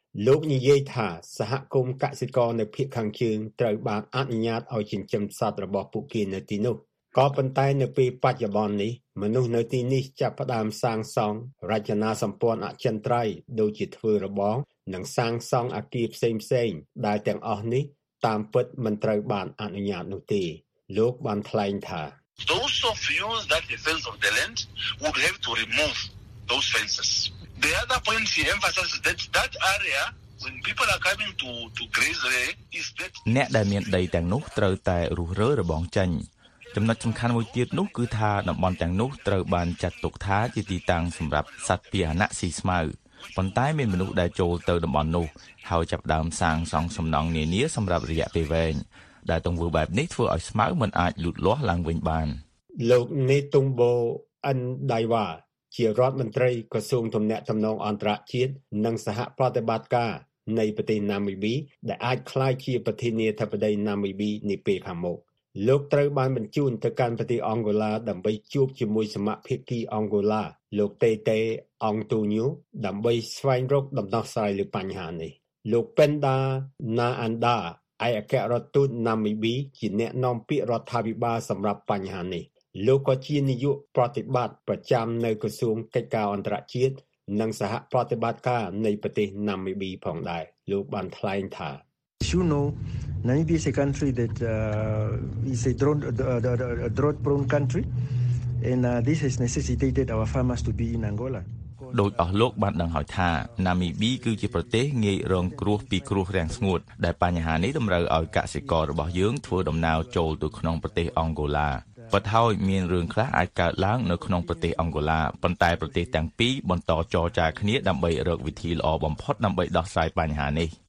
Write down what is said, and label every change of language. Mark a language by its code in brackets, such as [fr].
[km] លោកនិយាយថាសហគមន៍កសិករនៅភាគខាងជើងត្រូវបានអនុញ្ញាតឲ្យចិញ្ចឹមសត្វរបស់ពួកគេនៅទីនោះក៏ប៉ុន្តែនៅពេលបច្ចុប្បន្ននេះមនុស្សនៅទីនេះចាប់ផ្ដើមសាងសង់រចនាសម្ព័ន្ធអចិន្ត្រៃយ៍ដូចជាធ្វើរបងនិងសាងសង់អគារផ្សេងៗដែលទាំងអស់នេះតាមពិតមិនត្រូវបានអនុញ្ញាតនោះទេលោកបានថ្លែងថា [en] Those of you that defend of the land would have to remove those fences. The other point he emphasizes is that area when people are coming to graze there is that [km] អ្នកដែលមានដីទាំងនោះត្រូវតែរុះរើរបងចាញ់ចំណុចសំខាន់មួយទៀតនោះគឺថាតំបន់ទាំងនោះត្រូវបានចាត់ទុកថាជាទីតាំងសម្រាប់សត្វពាហនៈស៊ីស្មៅប៉ុន្តែមានមនុស្សដែលចូលទៅតំបន់នោះហើយចាប់ដើមសាងសង់សំណង់នានាសម្រាប់រយៈពេលវែងដែលទង្វើបែបនេះធ្វើឲ្យស្មៅមិនអាចលូតលាស់ឡើងវិញបាន លោកនេតុងបូអិនដៃវ៉ាជារដ្ឋមន្ត្រីក្រសួងទំនាក់ទំនងអន្តរជាតិនិងសហប្រតិបត្តិការនៃប្រទេសណាមីប៊ីដែលអាចក្លាយជាប្រធានាធិបតីណាមីប៊ីនាពេលខាងមុខលោកត្រូវបានបញ្ជូនទៅកាន់ប្រទេសអង់ហ្គូឡាដើម្បីជួបជាមួយសមាភិកីអង់ហ្គូឡាលោកតេតេអង់តូញូដើម្បីស្វែងរកដំណោះស្រាយលើបញ្ហានេះលោកពេនដា ណាអាន់ដាឯកអគ្គរដ្ឋទូតណាមីប៊ីជាអ្នកនាំពាក្យរដ្ឋាភិបាលសម្រាប់បញ្ហានេះលោកក៏ជានាយកប្រតិបត្តិប្រចាំនៅក្រសួងកិច្ចការអន្តរជាតិនិងសហប្រតិបត្តិការនៃប្រទេសណាមីប៊ីផងដែរលោកបានថ្លែងថា [en] You know, Namibia is a country that is a drought-prone country, and this has necessitated our farmers to be in Angola. [km] ដោយអស់លោកបានដឹងហើយថាណាមីប៊ីគឺជាប្រទេសងាយរងគ្រោះពីគ្រោះរាំងស្ងួតដែលបញ្ហានេះតម្រូវឲ្យកសិកររបស់យើងធ្វើដំណើរចូលទៅក្នុងប្រទេសអង់ហ្គូឡាបាត់ហើយមានរឿងខ្លះអាចកើតឡើងនៅក្នុងប្រទេសអង់ហ្គូឡាប៉ុន្តែប្រទេសទាំងពីរបន្តចរចាគ្នាដើម្បីរកវិធីល្អបំផុតដើម្បីដោះស្រាយបញ្ហានេះ